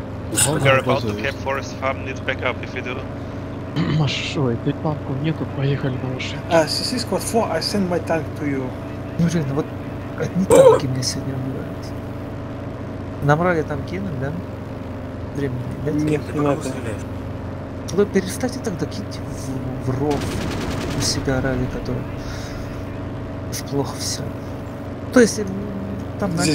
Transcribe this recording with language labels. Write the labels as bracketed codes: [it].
[en] We're about to cap Forest Farm, need backup if we do. [ru] А шо, этой танков нету, поехали малыши. [en] CC Squad 4, I send my tank to you. [ru] Ну реально, вот одни танки мне сегодня убивают. Нам ралли там кинуть, да? Времени нет? Нет, не надо. Вы перестаньте тогда кинуть в ров у себя ралли, который... Плохо все. То есть там